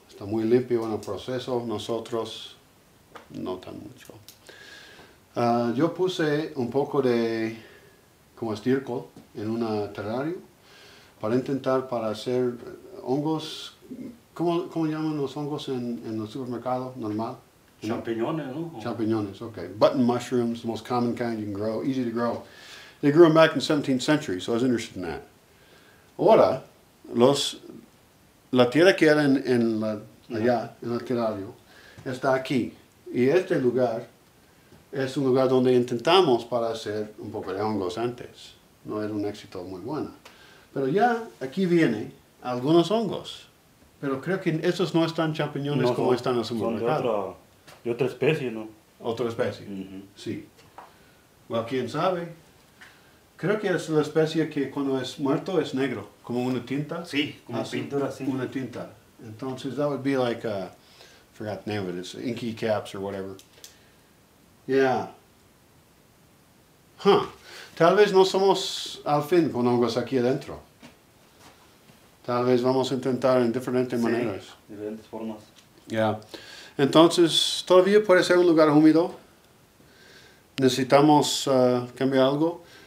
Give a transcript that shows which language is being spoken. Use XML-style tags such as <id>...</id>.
<es>Está muy limpio en el proceso. Nosotros, no tan mucho. Yo puse un poco de como estiércol en un terrario para intentar para hacer hongos ¿Cómo llaman los hongos en el supermercado normal? Champiñones, ¿no? Champiñones, okay.</es> <en>Button mushrooms, the most common kind you can grow, easy to grow. They grew them back in the 17th century, so I was interested in that.</en> <es>Ahora, la tierra que era en la, allá, en el Quedario, está aquí. Y este lugar es un lugar donde intentamos para hacer un poco de hongos antes. No era un éxito muy bueno. Pero ya aquí vienen algunos hongos. Pero creo que esos no están champiñones no, como son, están en el supermercado. Son de otra especie, ¿no? ¿Otra especie? Uh-huh. Sí. Bueno, quién sabe. Creo que es la especie que cuando es muerto es negro, como una tinta. Sí, como así, pintura, sí. Una tinta.</es> <en>Entonces, that would be like a, I forgot the name of it, it's inky caps or whatever. Yeah. Huh.</en> <es>Tal vez no somos al fin con hongos aquí adentro. Tal vez vamos a intentar en diferentes maneras. Sí, diferentes formas.</es> <en>Yeah.</en> <es>Entonces, todavía puede ser un lugar húmedo. Necesitamos cambiar algo.</es>